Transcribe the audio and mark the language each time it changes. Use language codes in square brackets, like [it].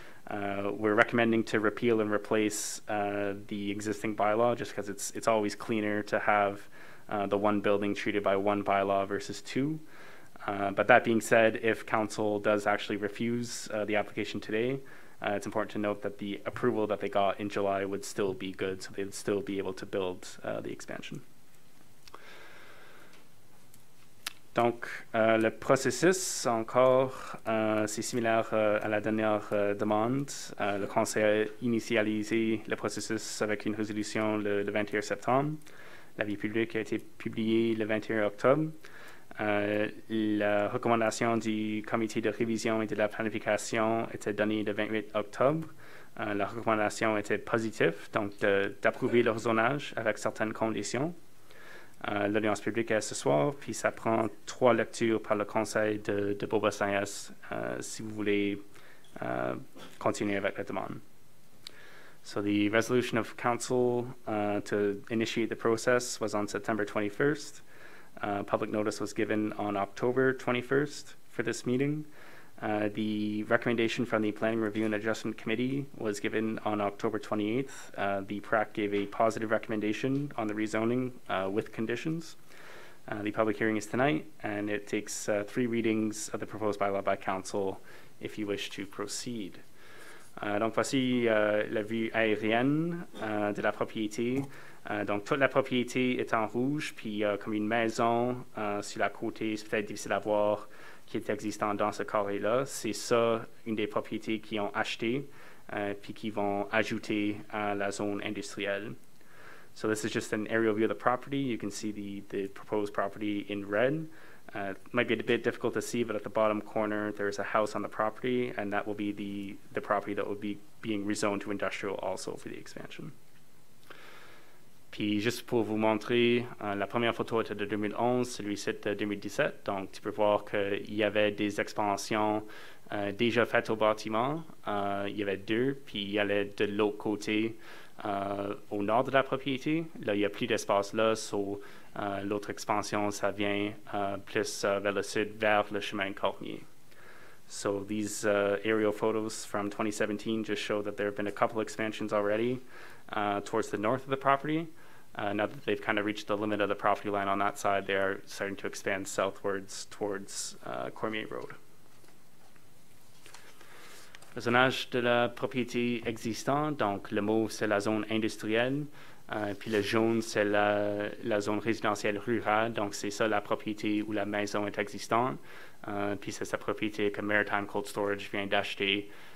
[en] We're recommending to repeal and replace the existing bylaw, just because it's always cleaner to have the one building treated by one bylaw versus two. But that being said, if council does actually refuse the application today, It's important to note that the approval that they got in July would still be good, so they'd still be able to build the expansion. [fr] Donc, le processus, encore, c'est similaire à la dernière demande. Le conseil a initialisé le processus avec une résolution le 21 septembre. L'avis public a été publié le 21 octobre. La recommandation du comité de révision et de la planification était donnée le 28 octobre. La recommandation était positive, donc d'approuver le zonage avec certaines conditions. L'audience publique est ce soir, puis ça prend trois lectures par le conseil de Beaubassin-S si vous voulez continuer avec la demande. [en] So the resolution of council to initiate the process was on September 21st. Public notice was given on October 21st for this meeting. The recommendation from the Planning Review and Adjustment Committee was given on October 28th. The PRAC gave a positive recommendation on the rezoning with conditions. The public hearing is tonight, and it takes three readings of the proposed bylaw by council if you wish to proceed. [fr] Donc voici la vue aérienne de la propriété. Donc toute la propriété est en rouge, puis comme une maison sur la côté, c'est peut-être difficile à voir qui est existant dans ce carré-là. C'est ça, une des propriétés qu'ils ont acheté, puis qu'ils vont ajouter à la zone industrielle. [en] So this is just an aerial view of the property. You can see the proposed property in red. Might be a bit difficult to see, but at the bottom corner, there's a house on the property, and that will be the property that will be being rezoned to industrial also for the expansion. [fr] Puis juste pour vous montrer, la première photo était de 2011, celui-ci de 2017. Donc, tu peux voir qu'il y avait des expansions déjà faites au bâtiment. Il y avait deux, puis il y allait de l'autre côté au nord de la propriété. Là, il n'y a plus d'espace là, so, l'autre expansion, ça vient plus vers le sud, vers le chemin Cormier. [en] So, these aerial photos from 2017 just show that there have been a couple expansions already. Towards the north of the property. Now that they've kind of reached the limit of the property line on that side, they are starting to expand southwards towards Cormier Road. [fr] Le zonage de la propriété existante, donc le mauve, c'est la zone industrielle, puis le jaune, c'est la zone résidentielle rurale, donc c'est ça la propriété où la maison est existante, puis c'est sa propriété que Maritime Cold Storage vient d'acheter.